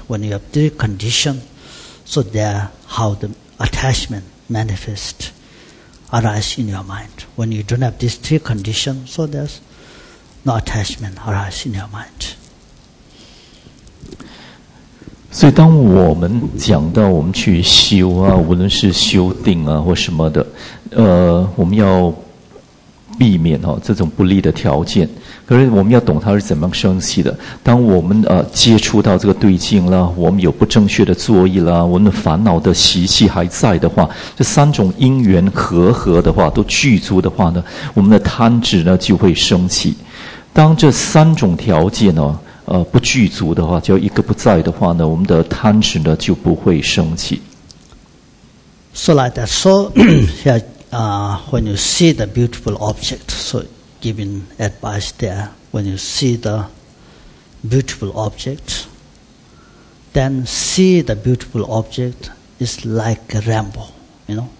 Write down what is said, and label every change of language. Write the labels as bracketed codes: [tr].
[en] When you have three conditions, so there how the attachment manifests, arise in your mind. When you don't have these three conditions, so there's no attachment arise in your mind. [zh] 所以当我们讲到我们去修啊，无论是修定啊或什么的，我们要避免哦这种不利的条件。可是我们要懂它是怎么样升起的。当我们接触到这个对境啦，我们有不正确的作意啦，我们的烦恼的习气还在的话，这三种因缘和合的话都具足的话呢，我们的贪执呢就会升起。当这三种条件呢不具足的话，就一个不在的话呢，我们的贪执呢就不会升起。 [en] So like that, so when you see the beautiful object, so giving advice there, when you see the beautiful object, then see the beautiful object is like a rainbow, you know.